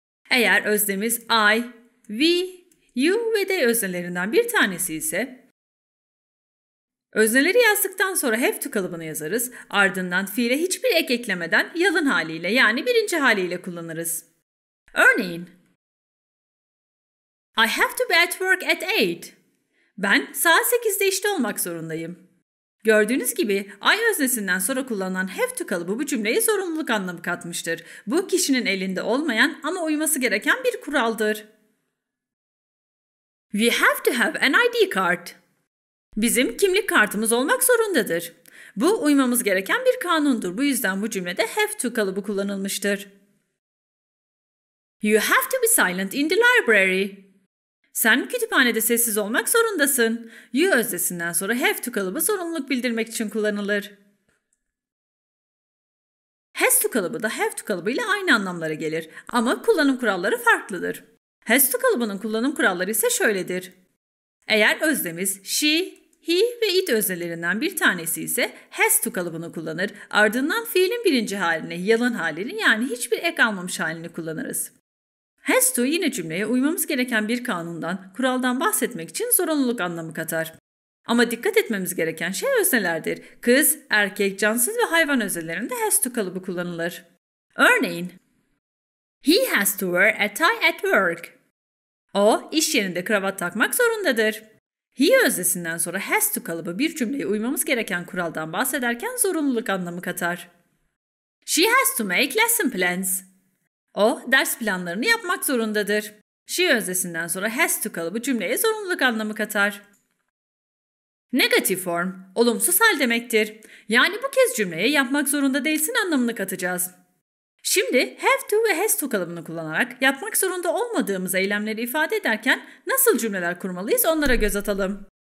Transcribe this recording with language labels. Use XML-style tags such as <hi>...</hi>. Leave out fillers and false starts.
<tr>Eğer öznemiz I, we, you ve they öznelerinden bir tanesi ise özneleri yazdıktan sonra have to kalıbını yazarız. Ardından fiile hiçbir ek eklemeden yalın haliyle, yani birinci haliyle kullanırız. Örneğin</tr> <en>I have to be at work at 8.</en> <tr>Ben saat 8'de işte olmak zorundayım. Gördüğünüz gibi I öznesinden sonra kullanılan have to kalıbı bu cümleye zorunluluk anlamı katmıştır. Bu kişinin elinde olmayan ama uyması gereken bir kuraldır.</tr> <en>We have to have an ID card.</en> <tr>Bizim kimlik kartımız olmak zorundadır. Bu uymamız gereken bir kanundur. Bu yüzden bu cümlede have to kalıbı kullanılmıştır.</tr> <en>You have to be silent in the library.</en> <tr>Sen kütüphanede sessiz olmak zorundasın. You öznesinden sonra have to kalıbı zorunluluk bildirmek için kullanılır. Has to kalıbı da have to kalıbı ile aynı anlamlara gelir. Ama kullanım kuralları farklıdır. Has to kalıbının kullanım kuralları ise şöyledir. Eğer öznemiz she, he ve it öznelerinden bir tanesi ise has to kalıbını kullanır. Ardından fiilin birinci halini, yalın halini, yani hiçbir ek almamış halini kullanırız. Has to yine cümleye uymamız gereken bir kanundan, kuraldan bahsetmek için zorunluluk anlamı katar. Ama dikkat etmemiz gereken şey öznelerdir. Kız, erkek, cansız ve hayvan öznelerinde has to kalıbı kullanılır. Örneğin</tr> <en>He has to wear a tie at work.</en> <tr>O, iş yerinde kravat takmak zorundadır. He öznesinden sonra has to kalıbı bir cümleye uymamız gereken kuraldan bahsederken zorunluluk anlamı katar.</tr> <en>She has to make lesson plans.</en> <tr>O, ders planlarını yapmak zorundadır. She öznesinden sonra has to kalıbı cümleye zorunluluk anlamı katar. Negative form, olumsuz hal demektir. Yani bu kez cümleye yapmak zorunda değilsin anlamını katacağız. Şimdi have to ve has to kalıbını kullanarak yapmak zorunda olmadığımız eylemleri ifade ederken nasıl cümleler kurmalıyız onlara göz atalım.</tr>